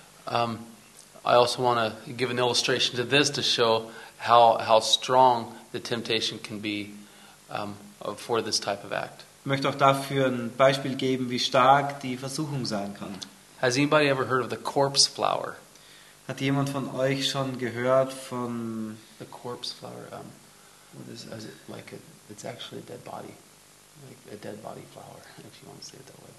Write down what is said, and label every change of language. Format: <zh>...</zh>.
<en>I also want to give an illustration to this to show how strong the temptation can be for this type of act.</en> <de>Ich möchte auch dafür ein Beispiel geben, wie stark die Versuchung sein kann.</de> <en>Has anybody ever heard of the corpse flower?</en> <de>Hat jemand von euch schon gehört von</de> <en>the corpse flower? It's actually a dead body, like a dead body flower, if you want to say it that way.</en>